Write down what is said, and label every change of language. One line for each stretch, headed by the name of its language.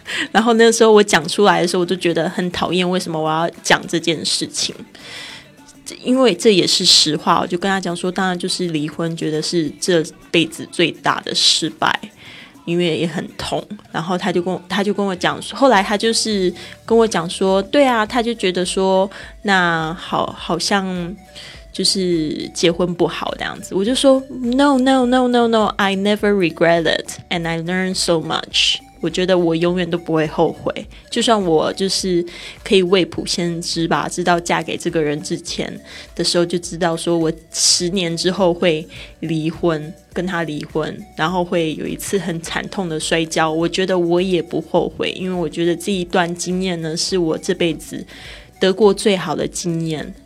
Chinese: 然后那时候我讲出来的时候我就觉得很讨厌，为什么我要讲这件事情，因为这也是实话，我就跟他讲说当然就是离婚，觉得是这辈子最大的失败，因为也很痛。然后他就跟我讲，后来他就是跟我讲说对啊，他就觉得说那好像就是结婚不好这样子。我就说
English: No, I never regret it, and I learned so much.
Chinese: 我觉得我永远都不会后悔，就算我就是可以未卜先知吧，知道嫁给这个人之前的时候就知道说我十年之后会离婚，跟他离婚，然后会有一次很惨痛的摔跤，我觉得我也不后悔，因为我觉得这一段经验呢是我这辈子得过最好的经验。